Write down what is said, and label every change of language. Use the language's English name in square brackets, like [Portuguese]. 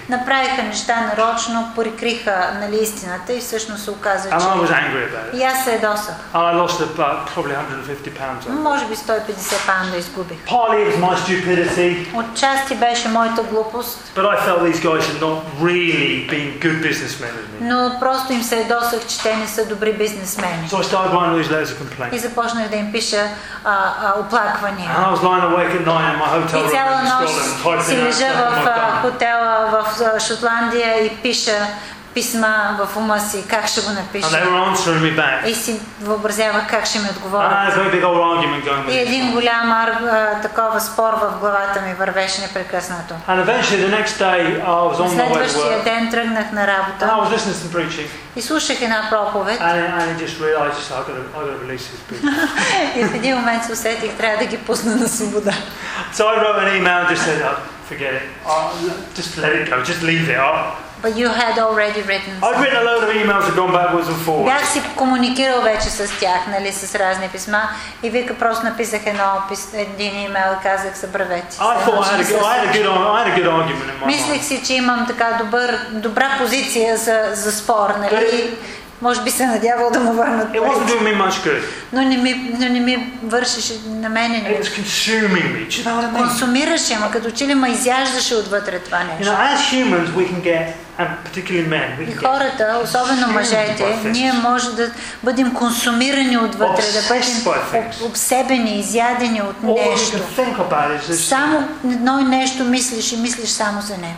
[Bulgarian] Направиха неща нарочно, прикриха нали истината и всъщност се оказа, че. [English] And I was angry about it. [Bulgarian] И аз се едосах. [English] I lost about probably 150 pounds. [Bulgarian] Може би 150 паунда изгубих. [English] Partly it was my stupidity. [Bulgarian] Отчасти беше моята глупост. [English] But I felt these guys had not really been good businessmen with me. [Bulgarian] Но просто им се едосах, че те не са добри бизнесмени. [English] So I started writing these letters of complaint. [Bulgarian] И започнах да им пиша пиша оплакване. [English] I was lying awake at night in my hotel room. [Bulgarian] Цяла нощ си лежа в хотела в Шотландия и пиша писма в ума си, как ще го напиша. [English] And they were answering me back. [Bulgarian] И си въобразява как ще ми отговорят. [English] And I had a big old argument going with [Bulgarian] и един голям такова спор в главата ми вървеше непрекъснато. [English] And eventually the next day I was on my way to work. [Bulgarian] Следващия ден тръгнах на работа. [English] And I was listening to some preaching. [Bulgarian] И слушах една проповед. [English] And I just realized I've got to release these people. [Bulgarian] И в един момент се усетих, трябва да ги пусна на свобода. [English] So I wrote an email and just said, forget it. Just let it go. Just leave it. But you had already written. I've written a load of emails and gone backwards and forwards. [Bulgarian] Бях си комуникирал вече с тях, нали, с разни писма, и вика просто написах едно един имейл, казах забравете. [English] I had a good argument in my. [Bulgarian] Мислих си, че имам така добра позиция за спор, нали? Може би се надявал да му върнат. [English] It wasn't doing me much good. [Bulgarian] Но не ми вършеше на мене. [English] It was consuming me. [Bulgarian] Консумираше, ама като че ли ме изяждаше отвътре това нещо. [English] You know, as humans, we can get, and particularly men, we can [Bulgarian] и хората, особено мъжете, ние може да бъдем консумирани отвътре, да бъдем обсебени, изядени от нещо. Само едно нещо мислиш и мислиш само за него.